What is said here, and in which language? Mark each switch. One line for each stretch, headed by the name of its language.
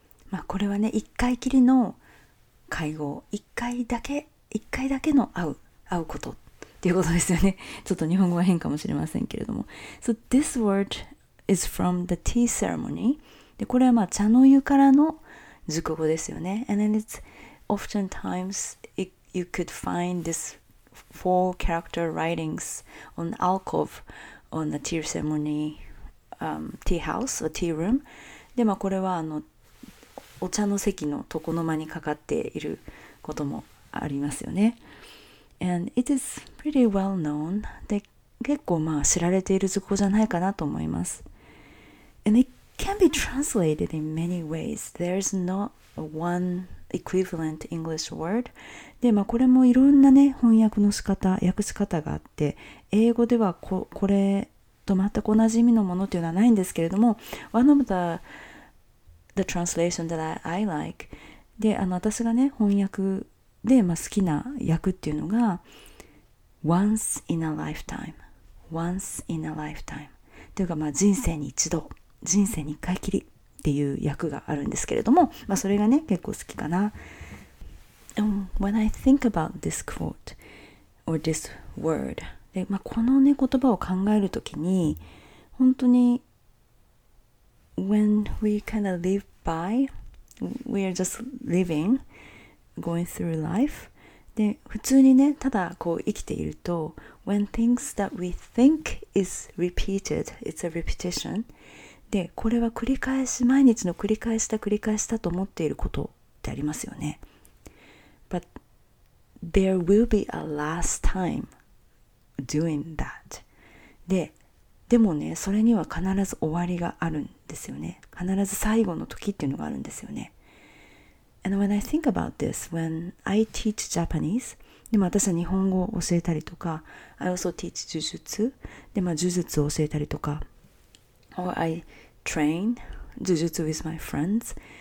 Japanese: まあこれはね、一回きりの会合。一回だけ、一回だけの会うことっていうことですよね。ちょっと日本語は変かもしれませんけれども。
English: So this word is from the tea ceremony.
Japanese: で、これはまあ茶の湯からの熟語ですよね。
English: And then it's oftentimes you could find this four character writings on alcove on the tea ceremony, tea house or tea room.
Japanese: で、まあこれはあのお茶の席の床の間にかかっていることもありますよね。
English: And it is pretty well known.
Japanese: で、結構まあ知られている熟語じゃないかなと思います。
English: And it can be translated in many ways. There's not one equivalent English word.
Japanese: で、まあこれもいろんなね、翻訳の仕方、訳し方があって、英語では これと全く同じ意味のものというのはないんですけれども、
English: One of the translation that I like.
Japanese: で、あの私がね、翻訳で、まあ、好きな訳っていうのが、
English: Once in a lifetime. Once in a lifetime.
Japanese: というか、まあ人生に一度。人生に一回きりっていう訳があるんですけれども、まあ、それがね結構好きかな。
English: When I think about this quote or this word,
Japanese: で、まあ、このね言葉を考えるときに本当に
English: When we kind of live by, we are just living, going through life.
Japanese: で、普通にねただこう生きていると
English: When things that we think is repeated, it's a repetition.
Japanese: で、これは繰り返し、毎日の繰り返した繰り返したと思っていることってありますよね。
English: But there will be a last time doing that.
Japanese: で、でもね、それには必ず終わりがあるんですよね。必ず最後の時っていうのがあるんですよね。
English: And when I think about this, when I teach Japanese,
Japanese: でも私は日本語を教えたりとか、
English: I also teach 呪術。
Japanese: で、まあ呪術を教えたりとか、
English: Or I train 呪術 with my friends.